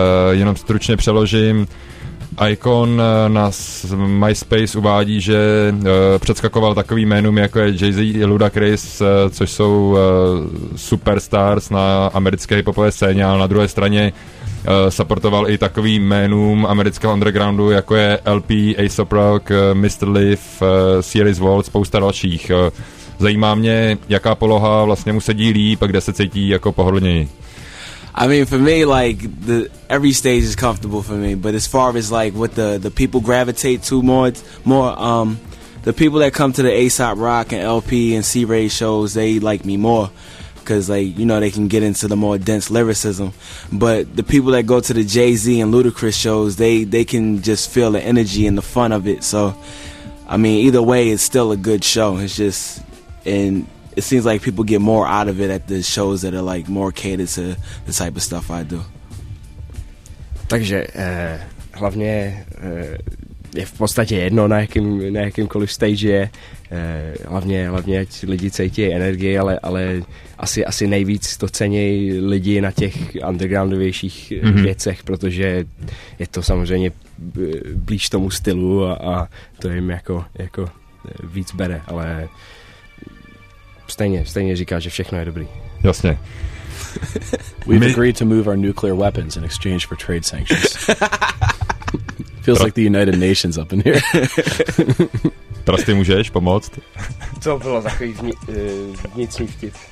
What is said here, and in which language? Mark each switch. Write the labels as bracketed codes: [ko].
[cs] Jenom stručně přeložím. Icon na MySpace uvádí, že předskakoval takovým jménům jako je Jay-Z, Ludacris, což jsou superstars na americké hiphopové scéně, ale na druhé straně supportoval i takovým jménům amerického undergroundu, jako je LP, A$AP Rock, Mr. Leaf, Sirius Walt, spousta dalších. Zajímá mě, jaká poloha vlastně mu sedí líp a kde se cítí jako pohodlněji. [en] I mean, for me, like, every stage is comfortable for me, but as far as, like, what the people gravitate to more, the people that come to the A$AP Rock and LP and C-Ray shows, they like me more, because, like, you know, they can get into the more dense lyricism, but the people that go to the Jay-Z and Ludacris shows, they can just feel the energy and the fun of it, so, I mean, either way, it's still a good show, it's just, and... It seems like people get more out of it at the shows that are like more catered to the type of stuff I do. [cs] Takže hlavně je v podstatě jedno, na jakýmkoliv stage je. Hlavně ať lidi cítí energii, ale asi nejvíc to cení lidi na těch undergroundovějších věcech, protože je to samozřejmě blíž tomu stylu a to jim jako víc bere, ale Stejně říká, že všechno je dobrý. Jasně. [en] We've agreed to move our nuclear weapons in exchange for trade sanctions. Feels like the United Nations up in here. [cs] Trusty, můžeš pomoct? To bylo takový vnitřní vtip.